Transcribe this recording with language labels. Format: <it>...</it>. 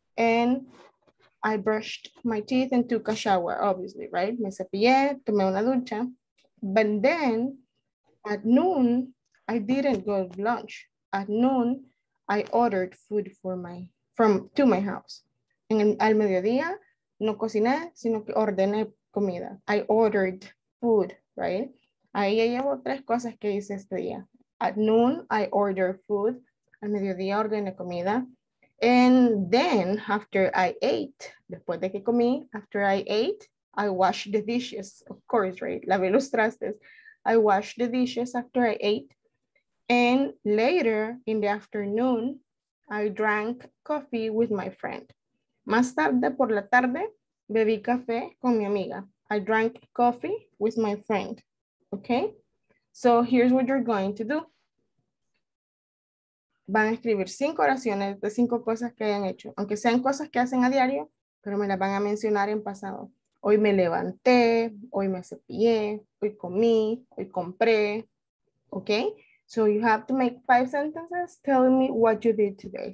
<en>and I brushed my teeth and took a shower, obviously, right?</en> <es>Me cepillé, tomé una ducha.</es> <en>But then, at noon, I didn't go to lunch. At noon, I ordered food to my house.</en> <es>Al mediodía, no cociné, sino que ordené comida.</es> <en>I ordered food, right?</en> <es>Ahí ya llevo tres cosas que hice este día.</es> <en>At noon, I ordered food.</en> <es>Al mediodía, ordené comida.</es> <en>And then, after I ate,</en> <es>después de que comí,</es> <en>after I ate, I washed the dishes, of course, right?</en> <es>Lavé los trastes.</es> <en>I washed the dishes after I ate. And later in the afternoon, I drank coffee with my friend.</en> <es>Más tarde por la tarde, bebí café con mi amiga.</es> <en>I drank coffee with my friend. Okay? So here's what you're going to do.</en> <es>Van a escribir cinco oraciones de cinco cosas que hayan hecho, aunque sean cosas que hacen a diario, pero me las van a mencionar en pasado. Hoy me levanté, hoy me cepillé, hoy comí, hoy compré. ¿Ok?</es> <en>So you have to make five sentences telling me what you did today.</en>